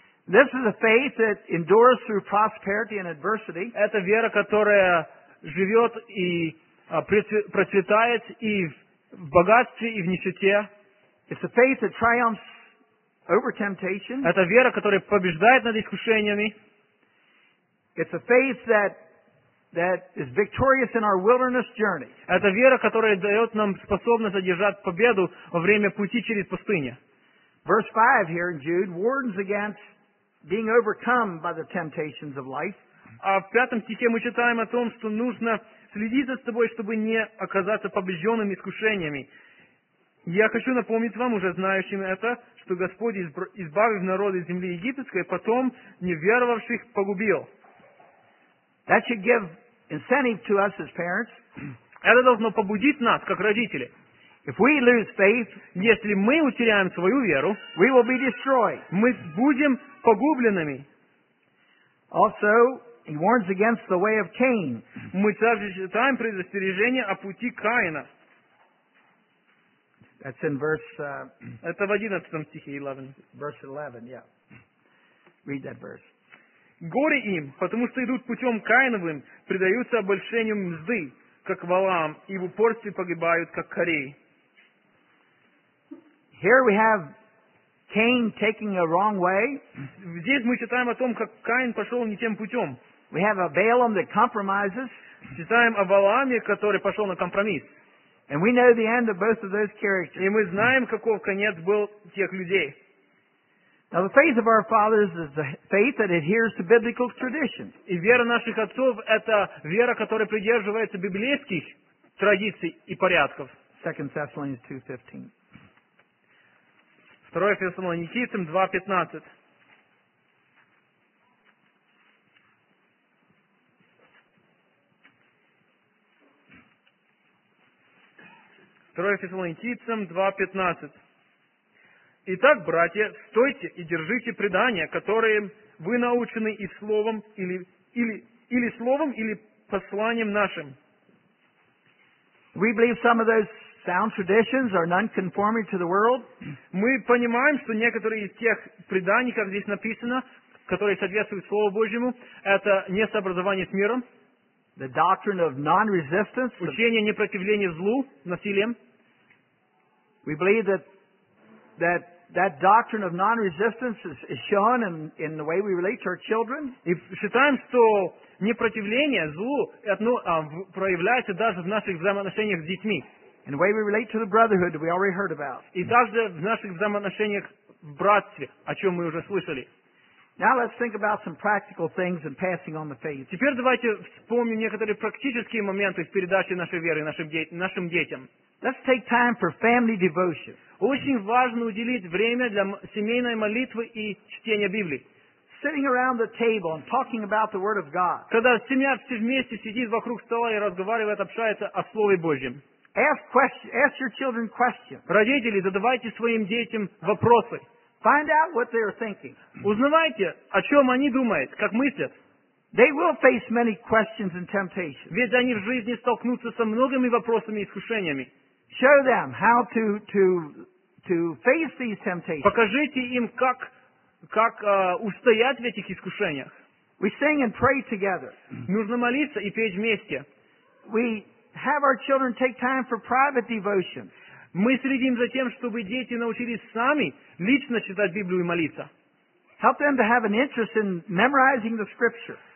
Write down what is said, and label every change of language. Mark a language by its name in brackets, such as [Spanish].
[English] This is a faith that endures through prosperity and adversity. [Russian] Это вера, которая живет и процветает и в богатстве, и в нищете. [English] It's a faith that triumphs over temptation. [Russian] Это вера, которая побеждает над искушениями. [English] It's a faith that is victorious in our wilderness journey. [Russian] Это вера, которая дает нам способность одержать победу во время пути через пустыню. [English] Verse 5 here in Jude warns against being overcome by the temptations of life. [Russian] А в пятом стихе мы читаем о том, что нужно следить за собой, чтобы не оказаться побежденным искушениями. Я хочу напомнить вам, уже знающим это, что Господь, избавив народ из земли египетской, потом неверовавших погубил. [English] That should give incentive to us as parents. [Russian] Это должно побудить нас, как родители. [English] If we lose faith, [Russian] если мы утеряем свою веру, [English] we will be destroyed. [Russian] Мы будем погубленными. [English] Also, he warns against the way of Cain. [Russian] Мы также читаем предостережение о пути Каина. [English] That's in verse... [Russian] Это в 11 стихе, 11. [English] Verse 11, yeah. Read that verse. [Russian] Горе им, потому что идут путем Каиновым, предаются обольщению мзды, как Валаам, и в упорстве погибают, как Корей. [English] Here we have Cain taking a wrong way. [Russian] Здесь мы читаем о том, как Каин пошел не тем путем. [English] We have a Balaam that compromises. [Russian] Читаем о Валааме, который пошел на компромисс. [English] And we know the end of both of those characters. [Russian] И мы знаем, каков конец был тех людей. [English] Now the faith of our fathers is the faith that adheres to biblical traditions. [Russian] И вера наших отцов это вера, которая придерживается библейских традиций и порядков. [English] 2 Thessalonians 2:15. [Russian] 2 Фессалоникийцам 2:15. 2 Фессалоникийцам 2:15. Итак, братья, стойте и держите предания, которые вы научены и словом, или словом, или посланием нашим. [English] We believe some of those sound traditions are non-conforming to the world. [Russian] Мы понимаем, что некоторые из тех преданий, как здесь написано, которые соответствуют Слову Божьему, это не сообразование с миром. [English] The doctrine of non-resistance. [Russian] Учение непротивления злу, насилием. [English] We believe that doctrine of non-resistance is shown in the way we relate to our children. [Russian] И считаем, что непротивление злу проявляется даже в наших взаимоотношениях с детьми. [English] In the way we relate to the brotherhood we already heard about. [Russian] И также в наших взаимоотношениях в братстве, о чем мы уже слышали. [English] Now let's think about some practical things in passing on the faith. [Russian] Теперь давайте вспомним некоторые практические моменты в передаче нашей веры нашим детям. [English] Let's take time for family devotion. [Russian] Очень важно уделить время для семейной молитвы и чтения Библии. [English] Sitting around the table and talking about the Word of God. [Russian] Когда семья все вместе сидит вокруг стола и разговаривает, общается о Слове Божьем. [English] Ask your children questions. [Russian] Родители, задавайте своим детям вопросы. [English] Find out what they are thinking. [Russian] Узнавайте, о чем они думают, как мыслят. [English] They will face many questions and temptations. [Russian] Ведь они в жизни столкнутся со многими вопросами и искушениями. [English] Show them how to face these temptations. [Russian] Покажите им, как устоять в этих искушениях. [English] We sing and pray together. [Russian] Нужно молиться и петь вместе. [English] Have our children take time for private devotions. [Russian] Мы следим за тем, чтобы дети научились сами лично читать Библию и молиться. [English] Help them to have an interest in memorizing the scripture.